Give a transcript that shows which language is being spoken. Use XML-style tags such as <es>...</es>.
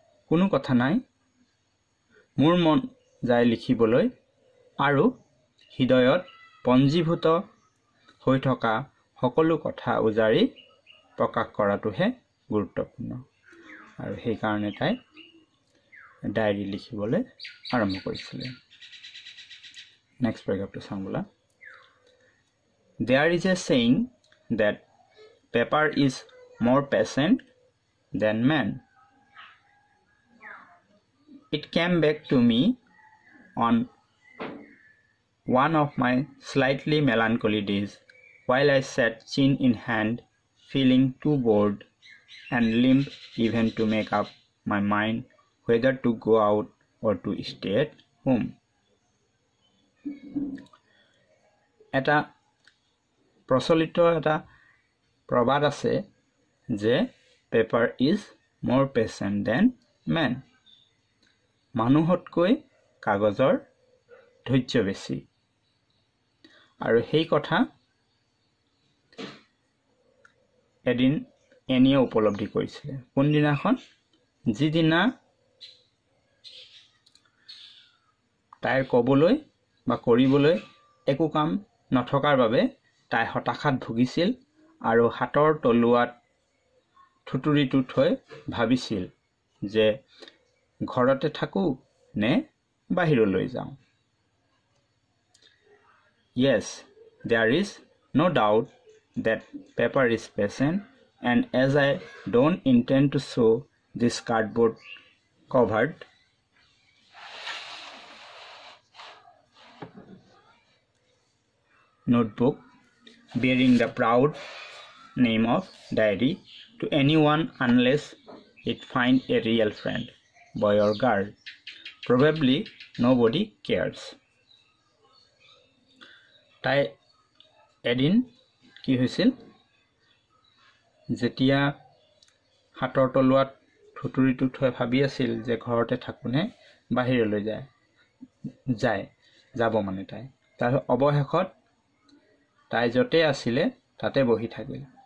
<as>কোনো কথা নাই, মোৰ মন যায় লিখিবলৈ আৰু হৃদয়ত পঞ্জীভূত হৈ থকা সকলো কথা উজাৰি প্ৰকাশ কৰাটোহে গুৰুত্বপূৰ্ণ। আৰু সেইকাৰণে তাই ডায়েৰী লিখিবলৈ আৰম্ভ কৰিছিলে।</as> <en>next পেৰাগ্ৰাফটো</en> <as>চাওঁ বোলা।</as> <en>There is a saying that paper is more patient than man. It came back to me on one of my slightly melancholy days, while I sat chin in hand, feeling too bored and limp even to make up my mind whether to go out or to stay at home.</en> <as>এটা প্ৰচলিত এটা প্ৰবাদ আছে যে</as> <en>paper is more patient than man,</en> <as>মানুহতকৈ কাগজৰ ধৈৰ্য বেছি। আৰু সেই কথা এদিন এনিয়ে উপলব্ধি কৰিছিলে। কোনদিনাখন? যিদিনা তাইৰ ক'বলৈ বা কৰিবলৈ একো কাম নথকাৰ বাবে তাই হতাশাত ভুগিছিল আৰু হাতৰ তলুৱাত থুতুৰিটো থৈ ভাবিছিল যে ঘৰতে থাকোঁ নে বাহিৰলৈ যাওঁ।</as> <en>Yes, there is no doubt that paper is patient, and as I don't intend to show this cardboard covered notebook bearing the proud name of diary to anyone unless it find a real friend, boy or girl, probably nobody cares.</en> <as>তাই এদিন কি হৈছিল, যেতিয়া হাতৰ তলুৱাত থুতুৰিটো থৈ ভাবি আছিল যে ঘৰতে থাকোঁনে বাহিৰলৈ যাব মানে তাই, তাৰ অৱশেষত তাই য'তে আছিলে তাতে বহি থাকিল।</as>